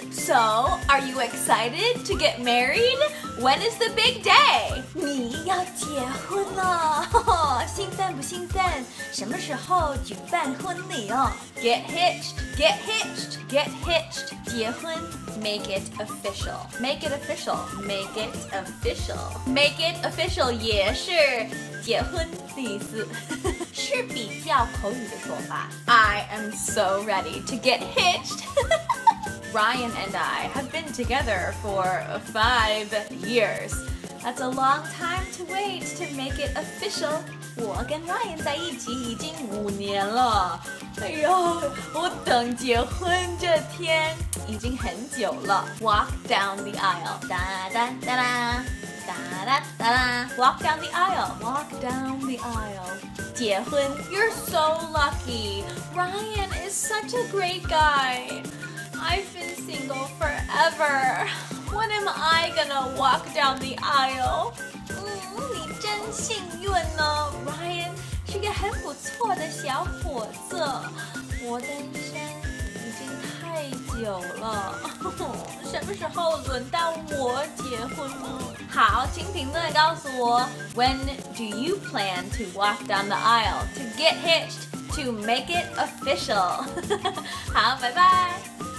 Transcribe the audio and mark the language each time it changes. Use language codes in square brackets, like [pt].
[en] So, are you excited to get married? When is the big day? [zh] 你要结婚了、哦、兴奋不兴奋什么时候举办婚礼哦 [en] Get hitched. Get hitched. Get hitched. [zh] 结婚 [en] Make it official. Make it official. Make it official. Make it official [zh] 也是结婚的意思，是比较口语的说法。 [en] I am so ready to get hitched. Ryan and I have been together for 5 years. That's a long time to wait to make it official. [zh] 我跟 Ryan 在一起已经五年了。哎呦，我等结婚这天已经很久了。 [en] Walk down the aisle, da da da da, da da da da. Walk down the aisle, walk down the aisle. [zh] 结婚 [en] You're so lucky. Ryan is such a great guy. I've been single forever. When am I gonna walk down the aisle? [zh] 你真幸运呢 ，Ryan。是个很不错的小伙子，我单身已经太久了，什么时候轮到我结婚呢？好，请评论告诉我 [en] ，When do you plan to walk down the aisle to get hitched to make it official？ [zh] 好，拜拜。